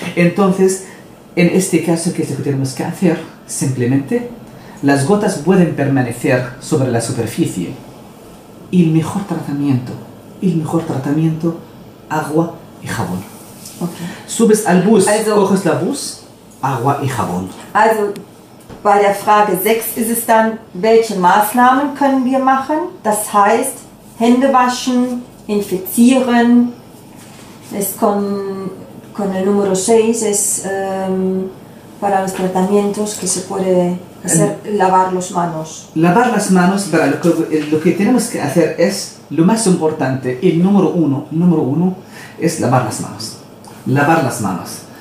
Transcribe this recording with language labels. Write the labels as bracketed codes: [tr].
[es] Entonces, en este caso, ¿qué es lo que tenemos que hacer? Simplemente, las gotas pueden permanecer sobre la superficie. Y el mejor tratamiento, agua y jabón. Okay. Subes al bus, also, coges la bus, agua y jabón. [de] Also, bei der Frage 6 ist es dann, welche Maßnahmen können wir machen? Das heißt, Hände waschen, infizieren. [es] Es con el número 6 es... para los tratamientos que se puede hacer, lavar las manos, para lo que tenemos que hacer es lo más importante, el número uno es lavar las manos.